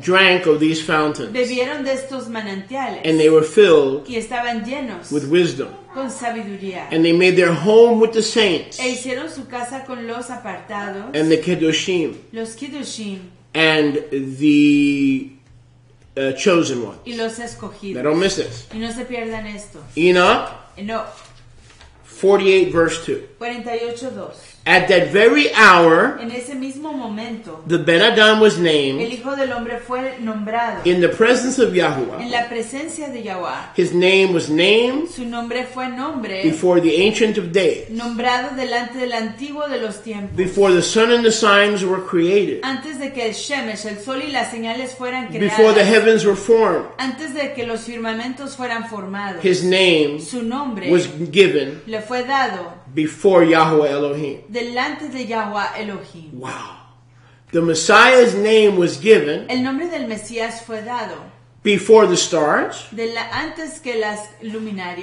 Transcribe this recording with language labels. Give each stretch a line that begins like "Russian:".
English: drank of these fountains.
Spanish: Bebieron de estos manantiales.
English: And they were filled.
Spanish: Y estaban llenos.
English: With wisdom.
Spanish: Con sabiduría.
English: And they made their home with the saints.
Spanish: E hicieron su casa con los apartados.
English: And the kiddushim.
Spanish: Los kiddushim.
English: And the chosen ones.
Spanish: Y los escogidos.
English: They don't miss this.
Spanish: Y no se pierdan esto.
English: Enoch.
Spanish: No.
English: 48:2. At that very hour,
Spanish: en ese mismo momento,
English: the Ben Adam was named.
Spanish: El hijo del hombre fue nombrado.
English: In the presence of Yahuwah.
Spanish: En la presencia de Yahuwah.
English: His name was named.
Spanish: Su nombre fue nombre.
English: Before the Ancient of Days.
Spanish: Nombrado delante del antiguo de los tiempos.
English: Before the sun and the signs were created.
Spanish: Antes de que el Shemesh, el sol y las señales fueran creadas.
English: Before the heavens were formed.
Spanish: Antes de que los firmamentos fueran formados.
English: His name.
Spanish: Su nombre.
English: Was given.
Spanish: Le fue dado.
English: Before Yahuwah Elohim.
Spanish: Delante de Yahuwah Elohim.
English: Wow. The Messiah's name was given.
Spanish: El nombre del Mesías fue dado.
English: Before the stars.
Spanish: De la, antes que las luminarias.